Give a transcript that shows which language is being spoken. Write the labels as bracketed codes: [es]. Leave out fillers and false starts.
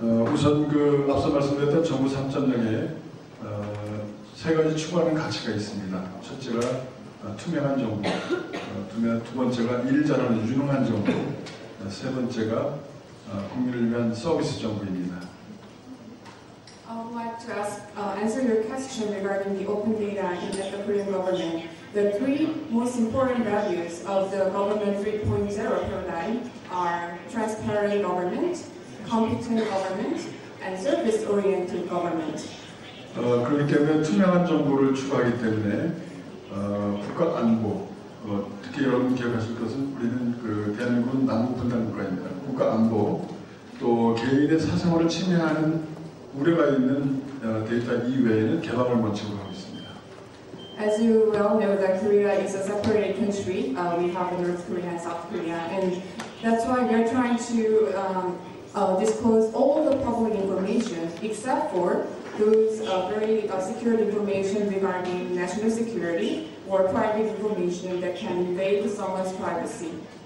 [ko] 우선 그 앞서 말씀드렸던 정부 3.0에 세 가지 추구하는 가치가 있습니다. 첫째가 투명한 정부, 두 번째가 일자라는 유능한 정부, 세 번째가 국민을 위한 서비스 정부입니다. [en] I would like to ask, answer your question regarding the open data in the Korean government. The three most important values of the government 3.0 paradigm are transparent government, competent government, and service-oriented government. [ko] 그렇기 때문에 투명한 정보를 추구하기 때문에 국가 안보, 특히 여러분 기억하실 것은 우리는 그 대한민국은 남북 분단 국가입니다. 국가 안보, 또 개인의 사생활을 침해하는 우려가 있는 데이터 이외에는 개방을 원칙으로 하고 있습니다. [en] As you well know that Korea is a separate country. We have North Korea and South Korea. And that's why we are trying to disclose all the public information except for those very secure information regarding national security or private information that can invade someone's privacy.